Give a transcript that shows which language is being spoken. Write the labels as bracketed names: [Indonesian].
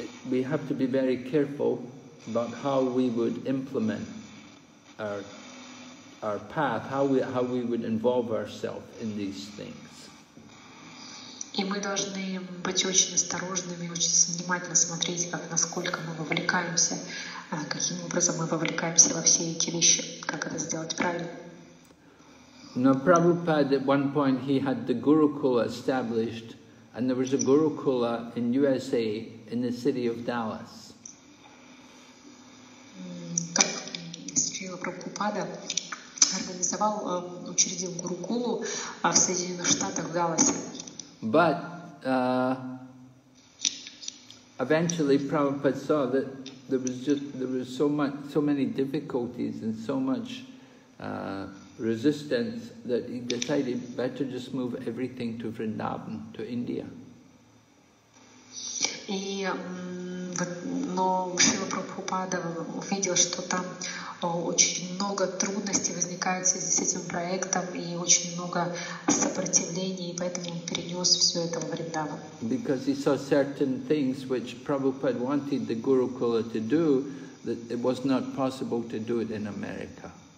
[English] We have to be very careful about how we would implement our path, how we would involve ourselves in these things. [Russian] И мы должны быть очень осторожными, очень внимательно смотреть, как насколько мы вовлекаемся, каким образом мы вовлекаемся во все эти вещи, как это сделать правильно. Но [English] Prabhupada at one point he had the Gurukula established, and there was a Gurukula in USA in the city of Dallas. [Russian] Как Шрила Прабхупада организовал, учредил Гурукулу в Соединенных Штатах, в Далласе. [English] But eventually Prabhupada saw that there was so many difficulties and so much resistance that he decided better just move everything to Vrindavan, to India. [Russian] И но Шрила Прабхупада увидел, что там очень много трудностей возникает в связи с этим проектом и очень много сопротивлений, и поэтому он перенес все это во Вриндаван. [English] Because he saw certain things which Prabhupada wanted the Gurukula to do, that it was not possible to do it in America.